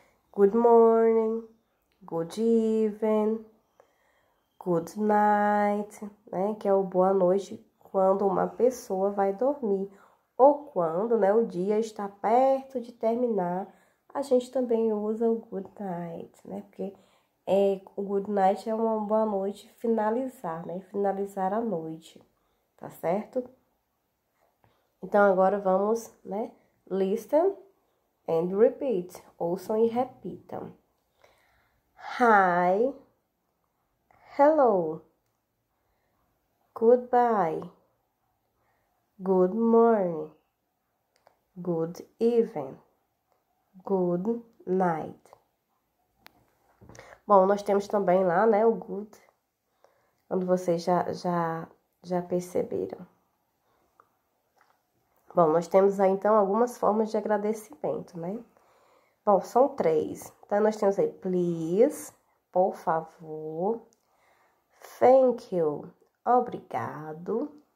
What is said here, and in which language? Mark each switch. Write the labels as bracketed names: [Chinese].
[English] Good morning, good evening, good night, [Portuguese] né? Que é o boa noite quando uma pessoa vai dormir ou quando, né, o dia está perto de terminar. A gente também usa o [English] good night, [Portuguese] né? Porque o good night é uma boa noite finalizar, né? Finalizar a noite, tá certo? Então agora vamos, né, [English] listen and repeat, [Portuguese] ouçam e repitam. [English] Hi, hello, goodbye, good morning, good evening, good night. [Portuguese] Bom, nós temos também lá, né, o good, quando vocês já perceberam. Bom, nós temos aí então algumas formas de agradecimento, né? Bom, são três. Então, nós temos aí please, por favor, [English] thank you, [Portuguese] obrigado,